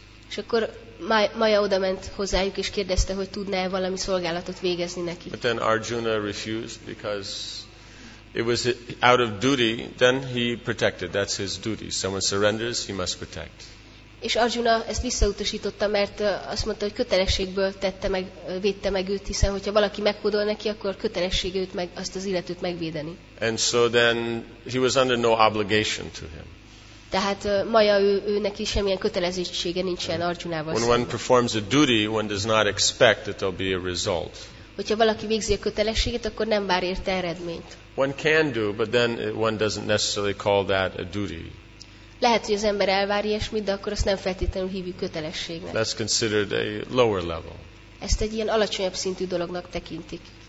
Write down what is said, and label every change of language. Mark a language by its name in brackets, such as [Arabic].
[Hungarian] És akkor Maya odament hozzájuk és kérdezte, hogy tudná valami szolgálatot végezni neki. [English] But then Arjuna refused because it was out of duty. Then he protected. That's his duty. Someone surrenders, he must protect. [Hungarian] És Arjuna ezt visszautasította, mert azt mondta, hogy kötelességből tette meg, védte meg őt, hiszen hogyha valaki meghódol neki, akkor kötelessége őt meg, azt az illetőt megvédeni. [English] And so then he was under no obligation to him. [Hungarian] Tehát Maja, ő neki semmilyen kötelezettsége nincsen Arjunával. [English] When one performs a duty, one does not expect that there'll be a result. [Hungarian] Hogyha valaki végzi a kötelességét, akkor nem vár érte eredményt. [English] One can do, but then one doesn't necessarily call that a duty. [Hungarian] Lehet, hogy az ember elvár ilyesmit, de akkor azt nem feltétlenül hívjuk kötelességnek. [English] That's considered a lower level. [Hungarian] Ezt egy ilyen alacsonyabb szintű dolognak tekintik.